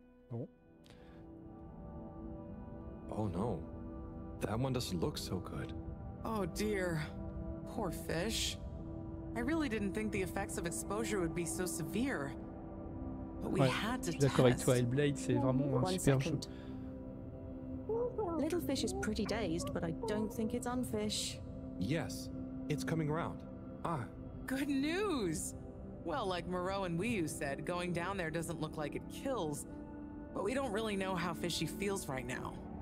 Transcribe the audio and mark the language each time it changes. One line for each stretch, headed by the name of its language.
French: Bon.
English: Oh no. That one doesn't look so good. Oh dear. Poor fish. I really didn't think the effects of exposure would be so severe. But we had to test.
French: D'accord avec toi, Hellblade, c'est vraiment un super jeu.
English: Little fish is pretty dazed, but I don't think it's unfish. Yes, it's coming around. Ah. Good news! Well, like Moreau and Wii U said, going down there doesn't look like it kills. But we don't really know how fishy feels right now.